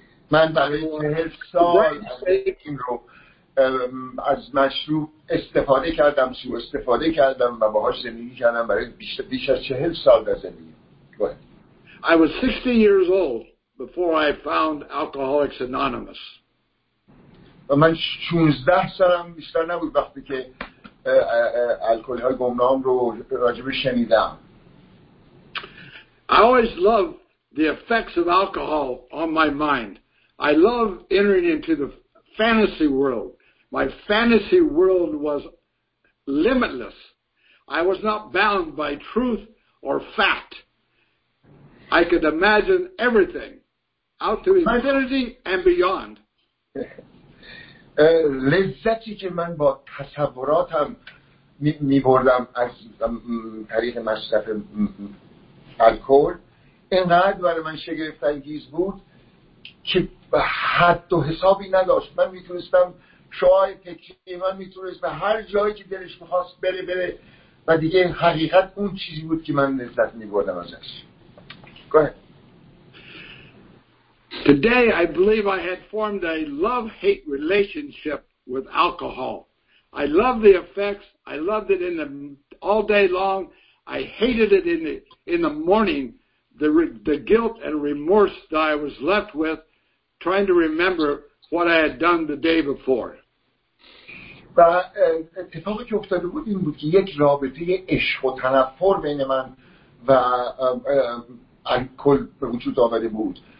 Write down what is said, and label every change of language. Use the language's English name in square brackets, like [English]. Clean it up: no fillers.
[Persian] من برای 40 سال این رو از مشروب استفاده کردم، سوء استفاده کردم و باهاش زندگی کردم برای بیش از 40 سال در زندگی. [English] I was 60 years old before I found Alcoholics Anonymous. [Persian] و من 16 سالم بیشتر نبود وقتی که الکلی های گمنام رو راجبه شنیدم. [English] I always love the effects of alcohol on my mind. I love entering into the fantasy world. My fantasy world was limitless. I was not bound by truth or fact. I could imagine everything out to infinity and beyond. [Persian] لذتی که من با تصوراتم می بردم از طریق مصرف الکل اینقدر برای من شگفت انگیز بود که حد و حسابی نداشت. من میتونستم شوهای فکری من میتونست به هر جایی که دلش میخواست بره بره و دیگه حقیقت اون چیزی بود که من لذت میبردم ازش. [English] Go ahead. Today I believe I had formed a love-hate relationship with alcohol. I love the effects. I loved it in the all day long. I hated it in the morning. The guilt and remorse that I was left with, trying to remember what I had done the day before. [Persian] و اتفاقی که افتاده بود این بود که یک رابطه عشق و تنفر بین من و الکل به وجود آمده بود.